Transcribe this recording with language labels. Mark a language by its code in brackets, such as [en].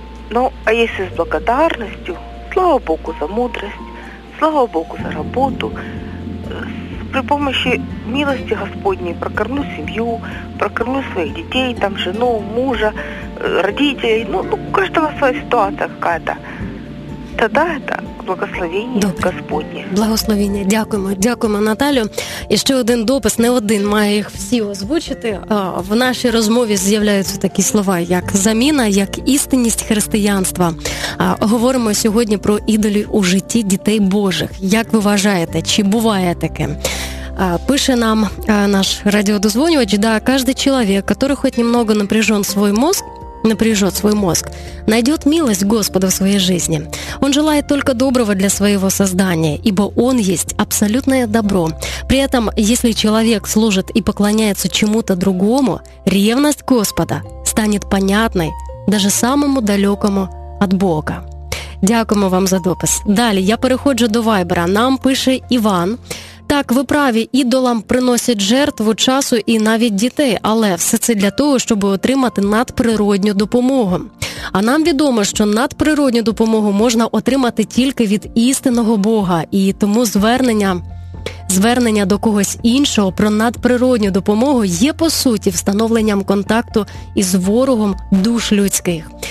[ru] Ну, а если с благодарностью, слава Богу за мудрость, слава Богу за работу, при помощи милости Господней прокормлю семью, прокормлю своих детей, там, жену, мужа, родителей, ну, у каждого своя ситуация какая-то. Тогда это благословение. [uk] Добре. Господнє. Благословення. Дякуємо. Дякуємо, Наталю. І ще один допис, не один, має їх всі озвучити. В нашій розмові з'являються такі слова, як заміна, як істинність християнства. Говоримо сьогодні про ідолів у житті дітей Божих. Як ви вважаєте, чи буває таке? Пише нам наш радіодозвонювач, да, кожен чоловік, який хоч немного напряжен свій мозг, [ru] напряжет свой мозг, найдет милость Господа в своей жизни. Он желает только доброго для своего создания, ибо Он есть абсолютное добро. При этом, если человек служит и поклоняется чему-то другому, ревность Господа станет понятной даже самому далекому от Бога. [uk] Дякуємо вам за допис. Далі, я переходжу до вайбера. Нам пише Іван. Так, ви праві, ідолам приносять жертву часу і навіть дітей, але все це для того, щоб отримати надприродню допомогу. А нам відомо, що надприродню допомогу можна отримати тільки від істинного Бога, і тому звернення до когось іншого про надприродню допомогу є, по суті, встановленням контакту із ворогом душ людських.